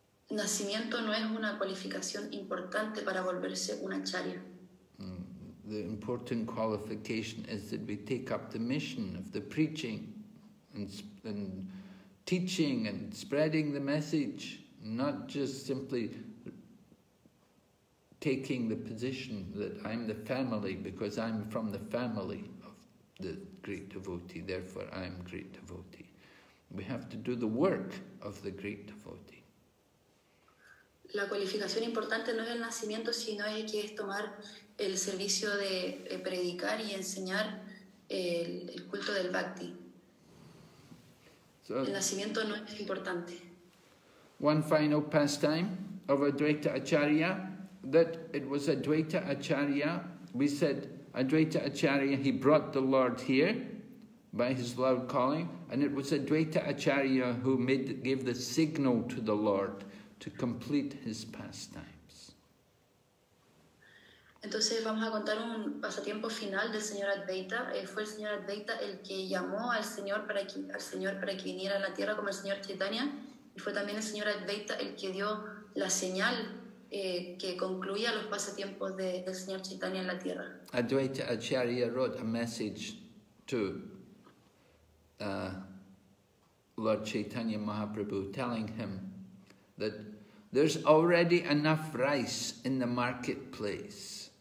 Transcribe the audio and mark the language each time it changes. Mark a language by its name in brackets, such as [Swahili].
[Spanish] Nacimiento no es una cualificación importante para volverse un Acharya. [English] The important qualification is that we take up the mission of the preaching and teaching and spreading the message, not just simply taking the position that I'm the family because I'm from the family of the great devotee, therefore I'm great devotee. We have to do the work of the great devotee. [Spanish] La cualificación importante no es el nacimiento, sino es que es tomar el servicio de predicar y enseñar el culto del Bhakti. So, el nacimiento no es importante. [English] One final pastime of Advaita Acharya, that it was Advaita Acharya. We said Advaita Acharya, he brought the Lord here by his loud calling, and it was Advaita Acharya who gave the signal to the Lord to complete his pastimes. [Spanish] Entonces vamos a contar un pasatiempo final del señor Advaita. Fue el señor Advaita el que llamó al señor para que viniera a la tierra como el señor Chaitanya, y fue también el señor Advaita el que dio la señal que concluía los pasatiempos del señor Chaitanya en la tierra. [English] Advaita Acharya wrote a message to Lord Chaitanya Mahaprabhu, telling him that there's already enough rice in the marketplace.